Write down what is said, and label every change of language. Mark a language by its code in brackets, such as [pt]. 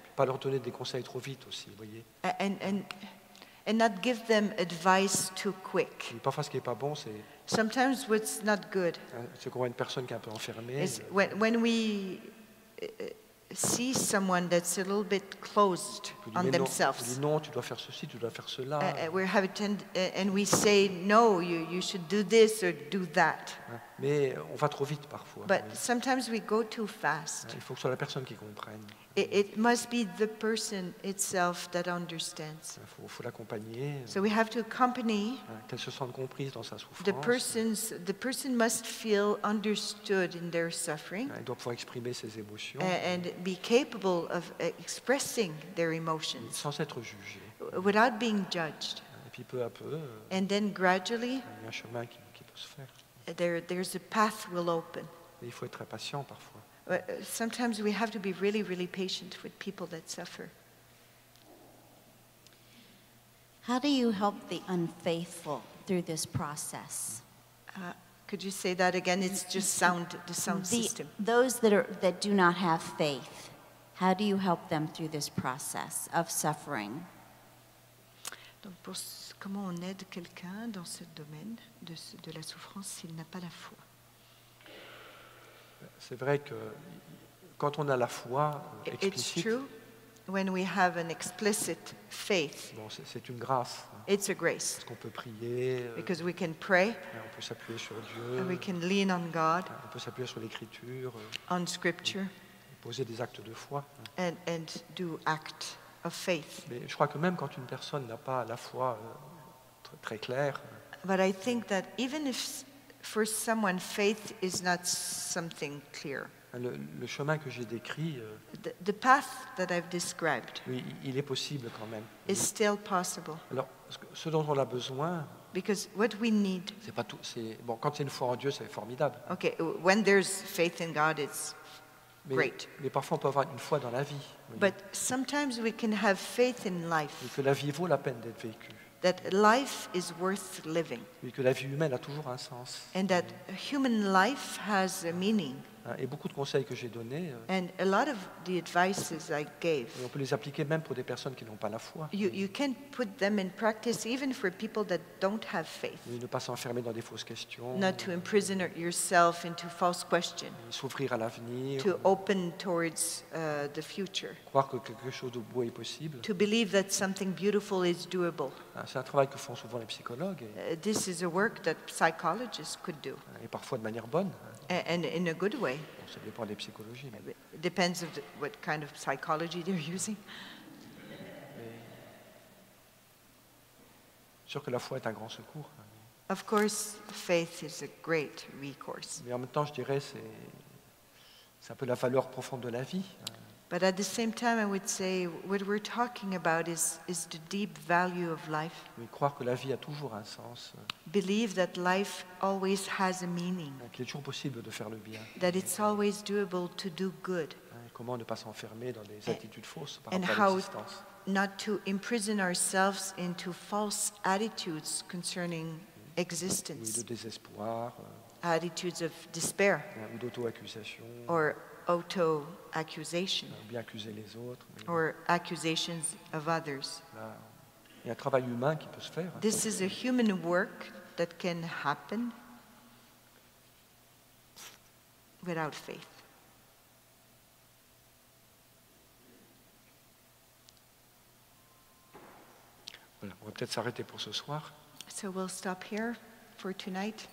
[fr] Pas leur donner des conseils trop vite aussi, voyez. [en] And not give them advice too quick. [fr] Parfois, ce qui est pas bon, c'est. [en] Sometimes what's not good. [fr] C'est quand on voit une personne qui est un peu enfermée. [en] When we see someone that's a little bit closed on themselves. [fr] Non, non, tu dois faire ceci, tu dois faire cela. [en] And we say no, you should do this or do that. [fr] Mais on va trop vite parfois. [en] But sometimes we go too fast. [fr] Il faut que ce soit la personne qui comprenne. [en] It must be the person itself that understands. [fr] Il faut l'accompagner. [en] So we have to accompany. [fr] Qu'elle se sente comprise dans sa souffrance. [en] The person must feel understood in their suffering. [fr] Elle doit pouvoir exprimer ses émotions. [en] And be capable of expressing their emotions. [fr] Sans être jugée. [en] Without being judged. [fr] Et puis peu à peu. [en] And then gradually. [fr] Il y a un chemin qui peut se faire. [en] There's a path will open. [fr] Mais il faut être très patient parfois. [en] But sometimes we have to be really, really patient with people that suffer. How do you help the unfaithful through this process? Could you say that again? It's just the sound system. Those that do not have faith, how do you help them through this process of suffering? [fr] Donc comment on aide quelqu'un dans ce domaine de la souffrance s'il n'a pas la foi? C'est vrai que quand on a la foi explicite, [en] it's true when we have an explicit faith. [fr] Bon, c'est une grâce. [en] It's a grace. [fr] Parce qu'on peut prier. [en] Because we can pray. [fr] On peut s'appuyer sur Dieu. [en] And we can lean on God. [fr] On peut s'appuyer sur l'Écriture. [en] On Scripture. [fr] Poser des actes de foi. [en] And do act of faith. [fr] Mais je crois que même quand une personne n'a pas la foi très, très claire. [en] But I think that even if for someone, faith is not something clear. [fr] Le chemin que j'ai décrit. [en] The path that I've described. [fr] Oui, il est possible quand même. [en] Is still possible. [fr] Alors, ce dont on a besoin. [en] Because what we need. [fr] C'est pas tout. C'est bon. Quand il y a une foi en Dieu, c'est formidable. [en] Okay, when there's faith in God, it's great. [fr] Mais parfois, on peut avoir une foi dans la vie. [en] But sometimes we can have faith in life. [fr] Et que la vie vaut la peine d'être vécue. [en] That life is worth living. [fr] Et que la vie humaine a toujours un sens. [en] And that human life has a meaning. [fr] Et beaucoup de conseils que j'ai donnés. [en] And a lot of the advices I gave. [fr] Et on peut les appliquer même pour des personnes qui n'ont pas la foi. [en] You can put them in practice even for people that don't have faith. [fr] Et ne pas s'enfermer dans des fausses questions. [en] Not to imprison yourself into false questions. [fr] Et s'ouvrir à l'avenir. [en] To open towards the future. [fr] Croire que quelque chose de beau est possible. [en] To believe that something beautiful is doable. [fr] C'est un travail que font souvent les psychologues. [en] This is a work that psychologists could do. [fr] Et parfois de manière bonne. [en] And in a good way. [fr] Bon, ça dépend des psychologies, mais... [en] Depends of what kind of psychology they're using. [fr] Mais... Sûr que la foi est un grand secours. [en] Of course, faith is a great recourse. [fr] Mais en même temps, je dirais, c'est un peu la valeur profonde de la vie. [en] But at the same time, I would say what we're talking about is the deep value of life. [fr] Mais croire que la vie a toujours un sens. [en] Believe that life always has a meaning. [fr] Qu'il est toujours possible de faire le bien. [en] That it's always doable to do good. [fr] Comment ne pas s'enfermer dans des attitudes fausses par rapport à l'existence. [en] And how not to imprison ourselves into false attitudes concerning existence. [fr] Ou de désespoir. [en] Attitudes of despair. [fr] Ou d'auto-accusation. [en] Or auto-accusation, [fr] bien accuser les autres, mais... [en] or accusations of others. [fr] Il y a un travail humain qui peut se faire. [en] This is a human work that can happen without faith. [fr] Voilà, on va peut-être s'arrêter pour ce soir. [en] So we'll stop here for tonight.